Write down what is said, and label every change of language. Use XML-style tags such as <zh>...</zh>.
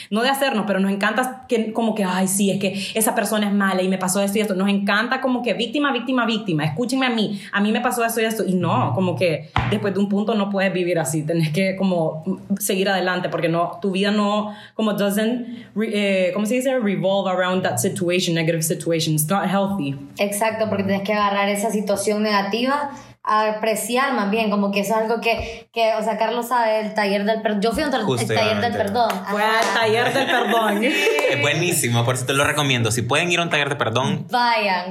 <es>No de hacernos, pero nos encanta que, como que, ay, sí, es que esa persona es mala y me pasó esto y esto. Nos encanta como que víctima, víctima, víctima. Escúchenme a mí me pasó esto y esto. Y no, como que después de un punto no puedes vivir así. Tenés que como seguir adelante porque no, tu vida no, como</es> <en>doesn't,</en> <es>¿cómo se dice?</es> <en>Revolve around that situation, negative situation. It's not healthy.</en> <es>Exacto, porque tenés que agarrar esa situación negativa a apreciar más bien, como que eso es algo que o sea, Carlos sabe, el taller del perdón. Yo fui al taller del perdón. Fue al taller del perdón. Es buenísimo, por eso te lo recomiendo. Si pueden ir a un taller de perdón, vayan.</es>